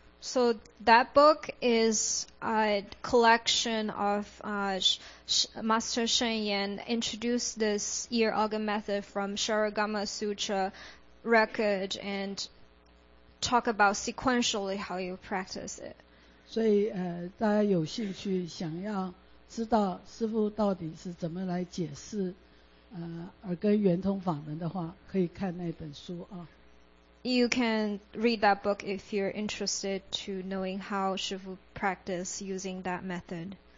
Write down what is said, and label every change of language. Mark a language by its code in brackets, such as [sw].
[en] So that book is a collection of Master Shen Yan introduced this ear organ method from Sharagama Sutra record and talk about sequentially how you practice it. [zh] 所以大家有兴趣想要知道师父到底是怎么来解释耳根圆通法门的话，可以看那本书啊。 [en] You can read that book if you're interested to knowing how Shifu practice using that method.